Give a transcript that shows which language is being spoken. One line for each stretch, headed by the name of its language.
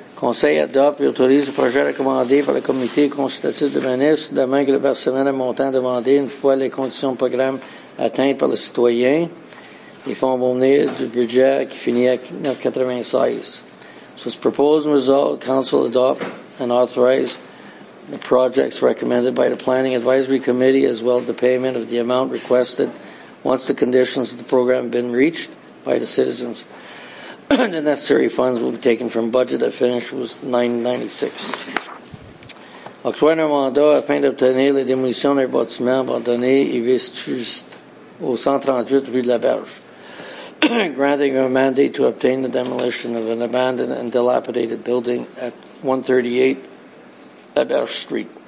French: Conseil adopte et autorise le projet recommandé par le comité consultatif de ministre, de même que le versement de montant demandé une fois les conditions de programme atteintes par le citoyen. Les fonds vont venir du budget qui finit à 9,96.
English: So, it's proposed and resolved. Council adopt and authorize the projects recommended by the Planning Advisory Committee, as well as the payment of the amount requested once the conditions of the program have been reached by the citizens. The necessary funds will be taken from budget that finished was $9.96.
French: Octroyer un mandat afin d'obtenir la démolition d'un bâtiment abandonné et vétuste au 138 rue de la Berge.
English: Granting a mandate to obtain the demolition of an abandoned and dilapidated building at 138 La Berge Street.